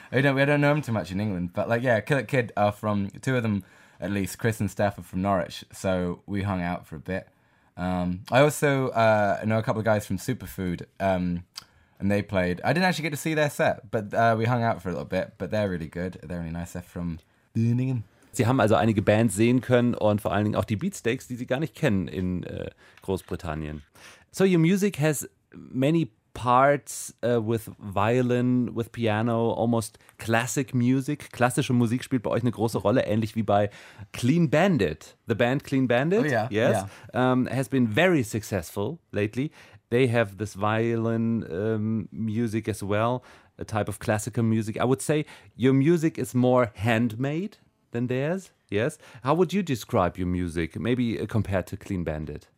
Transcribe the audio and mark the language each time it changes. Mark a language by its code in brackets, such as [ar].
[en] I don't know them too much in England, but like, yeah, Kill It Kid are from, two of them at least, Chris and Steph, are from Norwich, so we hung out for a bit. I also know a couple of guys from Superfood. And they played. I didn't actually get to see their set, but we hung out for a little bit. But they're really good. They're really nice. They're from Birmingham. [de] Sie haben also einige Bands sehen können und vor allen Dingen auch die Beatsteaks, die sie gar nicht kennen in Großbritannien. [en] So your music has many parts with violin, with piano, almost classic music. [de] Klassische Musik spielt bei euch eine große Rolle, ähnlich wie bei Clean Bandit. [en] The band Clean Bandit, oh, yeah. Yes, yeah. Has been very successful lately. They have this violin music as well, a type of classical music. I would say your music is more handmade than theirs, yes? How would you describe your music, maybe compared to Clean Bandit?